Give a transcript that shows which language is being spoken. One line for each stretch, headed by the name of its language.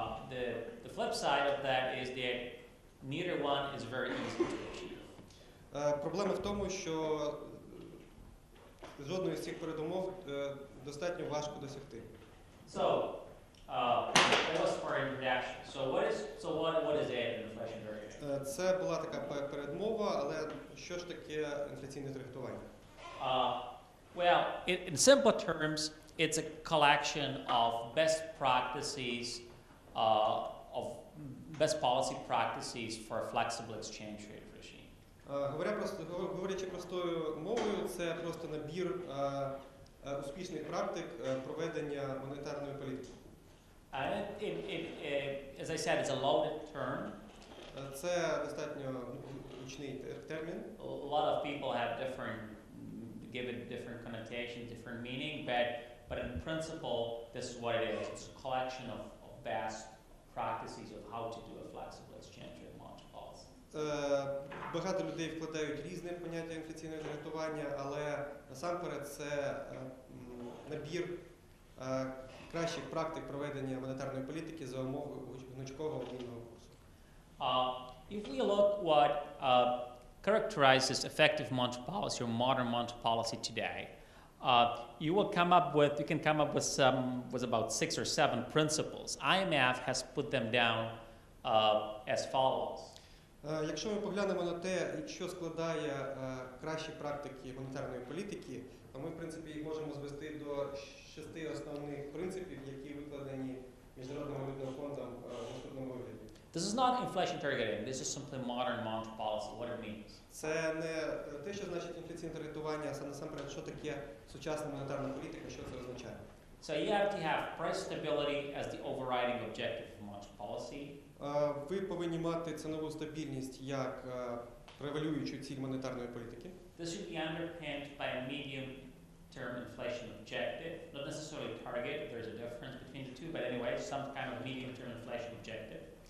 English: The flip side of that is that neither one is very easy to achieve.
Ukrainian: Проблема в тому, що жодної з цих передумов достатньо важко досягти.
English: So, that was for introduction. So what is an inflation target?
Ukrainian: Це була така передмова, але що ж таке інфляційне таргетування?
English: Well, in simple terms, It's a collection of best practices, of best policy practices for a flexible exchange rate regime.
Ukrainian: Говорячи простою мовою, це просто набір успішних практик проведення монетарної політики.
English: As I said, it's a loaded term.
Ukrainian: Це достатньо гучний термін.
English: A lot of people have given different connotations, different meaning, but in principle, this is what it is. It's a collection of best practices of how to do a flexible exchange rate monetary policy.
Ukrainian: Багато людей вкладають різне поняття інфляційного таргетування, але насамперед це набір кращих практик проведення монетарної політики за умов гнучкого обмінного курсу.
English: If we look what characterizes effective monetary policy or modern monetary policy today, you can come up with about 6 or 7 principles. IMF has put them down as follows.
Ukrainian: Якщо ми поглянемо на те, що складає кращі практики монетарної політики, то ми, в принципі, можемо звести до 6 основних принципів, які викладені Міжнародним валютним фондом в наступному вигляді.
English: This is not inflation targeting. This is simply modern monetary policy. What it means?
Ukrainian: Це не те, що значить інфляційне таргетування, а насамперед, що таке сучасна монетарна політика, що це означає?
English: So you have to have price stability as the overriding objective of monetary policy.
Ukrainian: Ви повинні мати цінову стабільність як превалюючу ціль монетарної політики.
English: This should be underpinned by a medium term inflation objective, not necessarily target. There is a difference between the two, but anyway, some kind of medium term inflation objective.